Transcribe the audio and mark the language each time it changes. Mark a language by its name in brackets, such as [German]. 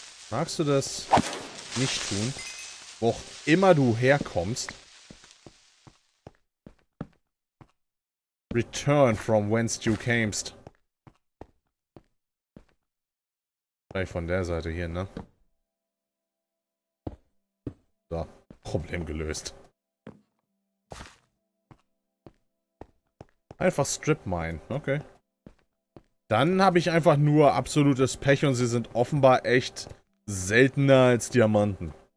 [German] Magst du das? nicht tun. Wo auch immer du herkommst. [English] Return from whence you camest. [German] Vielleicht von der Seite hier, ne? So, Problem gelöst. Einfach Strip Mine, okay. Dann habe ich einfach nur absolutes Pech und sie sind offenbar echt seltener als Diamanten.